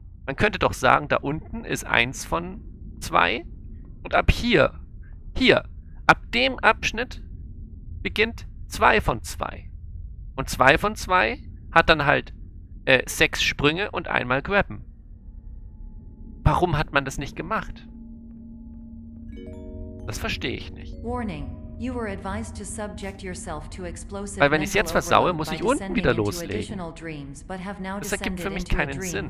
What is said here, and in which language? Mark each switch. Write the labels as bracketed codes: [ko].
[de] Man könnte doch sagen, da unten ist 1 von 2 und ab hier, ab dem Abschnitt beginnt 2 von 2. Und 2 von 2 hat dann halt 6 Sprünge und einmal grabben. Warum hat man das nicht gemacht? Das verstehe ich nicht. [en] Warning. You were advised to subject yourself to explosive. [de] Weil wenn ich es jetzt versaue, muss ich unten wieder loslegen. Das ergibt für mich keinen Sinn.